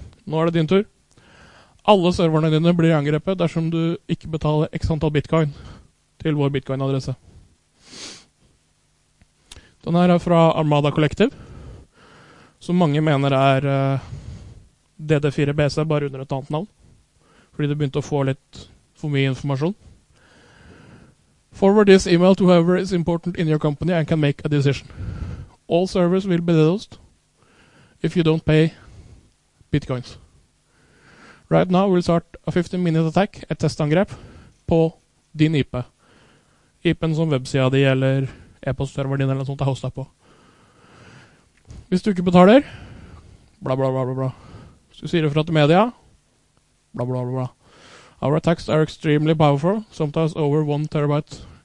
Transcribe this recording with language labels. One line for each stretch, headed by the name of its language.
Norwegian: Nå det din tur. Alle serverne dine blir angrepet dersom du ikke betaler x antall bitcoin til vår bitcoin-adresse. Den her fra Armada Collective, som mange mener DD4BC, bare under et annet navn, fordi det begynte å få litt for mye informasjon.
English: Forward this email to whoever is important in your company and can make a decision. All servers will be DDoSed if you don't pay bitcoins. Right now we'll start a 15-minute attack,
Norwegian: et testangrep, på din IP. IP-en som websida di eller e-postserveren din eller noe sånt hosta på. Hvis du ikke betaler, bla bla bla bla bla. Hvis du sier det fra til media, bla bla bla bla.
English: Our attacks are extremely powerful, sometimes over 1 terabyte.